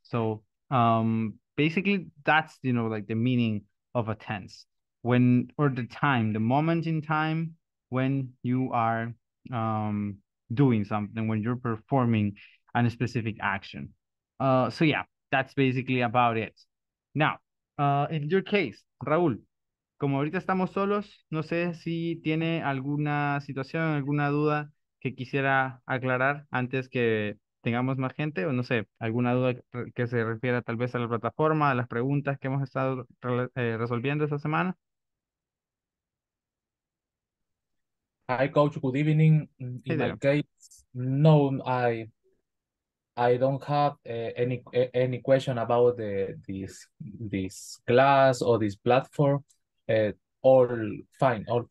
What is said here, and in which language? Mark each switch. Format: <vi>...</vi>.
<en>So basically, that's, you know, like the meaning of a tense, when or the time, the moment in time when you are doing something, when you're performing and a specific action. So yeah, that's basically about it. Now, in your case,</en> <es>Raúl, como ahorita estamos solos, no sé si tiene alguna situación, alguna duda que quisiera aclarar antes que tengamos más gente, o no sé, alguna duda que se refiera tal vez a la plataforma, a las preguntas que hemos estado resolviendo esta semana.</es> <en>Hi, coach. Good evening. Hey, in my case, no, I don't have any question about this class or this platform. All fine.</en>